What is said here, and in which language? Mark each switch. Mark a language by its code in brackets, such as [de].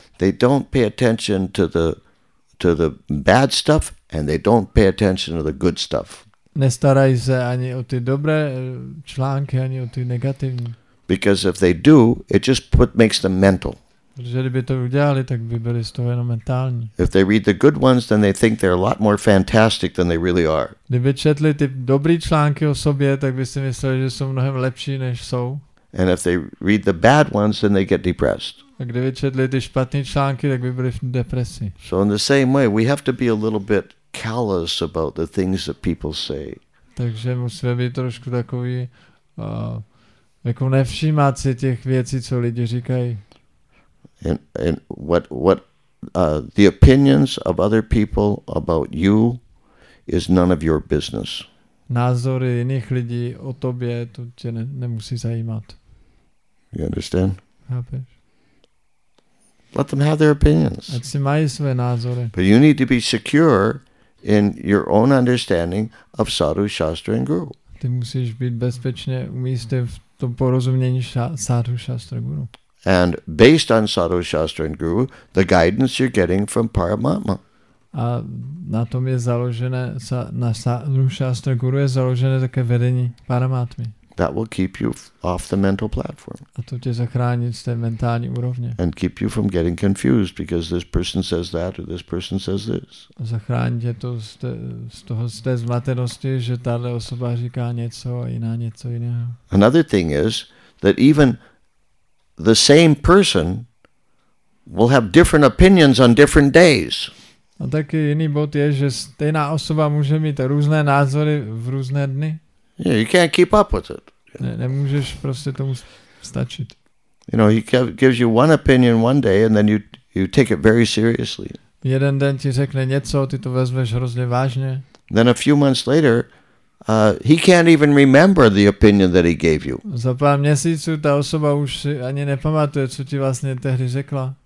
[en] They don't pay attention to the bad stuff and they don't pay attention to the good stuff. [cs] Nestarají se ani o ty dobré články, ani o ty negativní. [en] Because if they do, it just makes them mental. [cs] Protože kdyby to udělali, tak by byli z toho jenom mentální. [en] If they read the good ones, then they think they're a lot more fantastic than they really are. [cs] Kdyby četli ty dobrý články o sobě, tak by si mysleli, že jsou mnohem lepší, než jsou. [en] And if they read the bad ones, then they get depressed. [cs] A kdyby četli ty špatný články, tak by byli v depresi. [en] So in the same way, we have to be a little bit callous about the things that people say. [cs] Takže musíme být trošku takový Jako nevšímat si těch věcí, co lidi říkají. [en] And what the opinions of other people about you is none of your business. [cs] Názory jiných lidí o tobě, to tě nemusí zajímat. [en] You understand? [cs] Chápeš? [en] Let them have their opinions. [cs] Ať si mají své názory. [en] But you need to be secure in your own understanding of sadhu, shastra and guru. [cs] Ty musíš být bezpečně umístěn v tom porozumění sadhu, shastra, guru. [en] And based on sadhu, shastra and guru, the guidance you're getting from Paramatma. [cs] A na tom je založené, na sadhu, shastra, guru je založené také vedení Paramatmy. [en] That will keep you off the mental platform. [cs] A to tě zachrání z té mentální úrovně. [en] And keep you from getting confused because this person says that or this person says this. [cs] A zachrání tě to z té zmatenosti, že tahle osoba říká něco a jiná něco jiného. [en] Another thing is that even the same person will have different opinions on different days. [cs] A taky jiný bod je, že stejná osoba může mít různé názory v různé dny. [en] Yeah, you can't keep up with it. [cs] Nemůžeš prostě tomu stačit. [en] You know, he gives you one opinion one day and then you take it very seriously. [cs] Jeden den ti řekne něco, ty to vezmeš hrozně vážně. [en] Then a few months later, he can't even remember the opinion that he gave you. [cs] Za pár měsíců ta osoba už si ani nepamatuje, co ti vlastně tehdy řekla.